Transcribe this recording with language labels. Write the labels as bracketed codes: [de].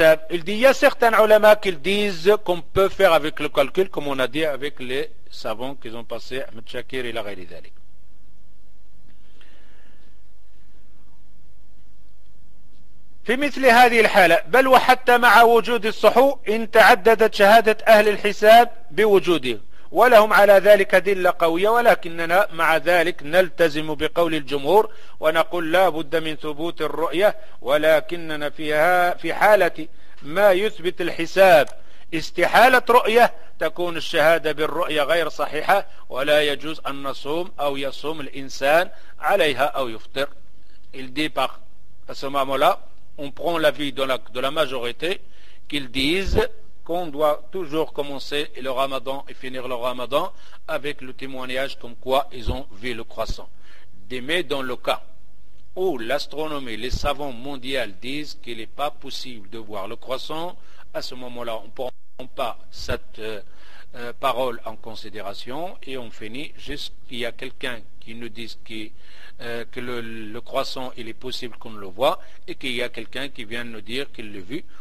[fr] Il dit, il y a certains ulama qui disent qu'on peut faire avec le calcul, comme on a dit avec les savants qu'ils ont passé, Ahmed Shakir et la Ghalidali. [ar] في مثل هذه الحالة بل وحتى مع وجود الصحو إن تعددت شهادة أهل الحساب بوجوده ولهم على ذلك دلة قوية ولكننا مع ذلك نلتزم بقول الجمهور ونقول لا بد من ثبوت الرؤية ولكننا فيها في حالة ما يثبت الحساب استحالة رؤية تكون الشهادة بالرؤية غير صحيحة ولا يجوز أن نصوم أو يصوم الإنسان عليها أو يفطر الديبق السمام لا. [fr] On prend l'avis de la majorité qu'ils disent qu'on doit toujours commencer le ramadan et finir le ramadan avec le témoignage comme quoi ils ont vu le croissant. Mais dans le cas où l'astronomie, les savants mondiaux disent qu'il n'est pas possible de voir le croissant, à ce moment-là, on ne prend pas cette parole en considération et on finit juste qu'il y a quelqu'un qui nous dise que le croissant il est possible qu'on le voit et qu'il y a quelqu'un qui vient nous dire qu'il l'a vu.